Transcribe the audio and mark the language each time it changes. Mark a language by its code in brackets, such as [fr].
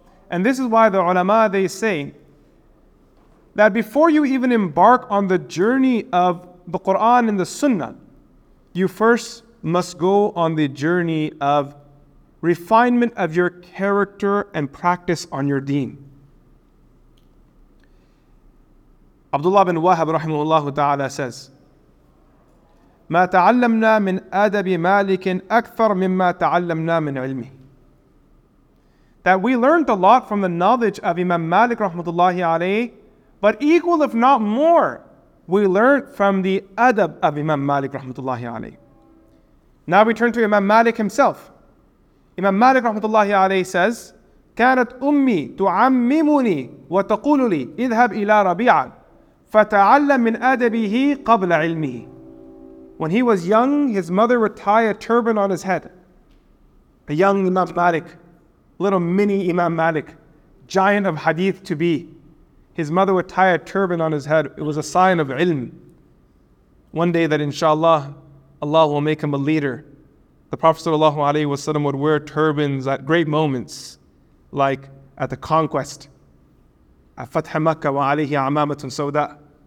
[en] And this is why the ulama, they say that before you even embark on the journey of the Qur'an and the sunnah, you first must go on the journey of refinement of your character and practice on your deen. Abdullah bin Wahab, rahimahullah ta'ala, says, [ar] مَا تَعَلَّمْنَا مِنْ أَدَبِ مَالِكٍ أَكْثَرْ مِمَّا تَعَلَّمْنَا مِنْ عِلْمِهِ. [en] That we learned a lot from the knowledge of Imam Malik rahmatullahi alayhi, but equal if not more, we learned from the adab of Imam Malik rahmatullahi alayhi. Now we turn to Imam Malik himself. Imam Malik rahmatullahi alayhi says, [ar] كانت أمي تعممني وتقول لي اذهب إلى ربيعة فتعلم من أدبه قبل علمه. [en] When he was young, his mother would tie a turban on his head. A young Imam Malik, little mini Imam Malik, giant of hadith to be. His mother would tie a turban on his head. It was a sign of ilm. One day that inshallah, Allah will make him a leader. The Prophet sallallahu alayhi wa sallam would wear turbans at great moments, like at the conquest, at Fath Makkah wa alayhi amamatun sawda.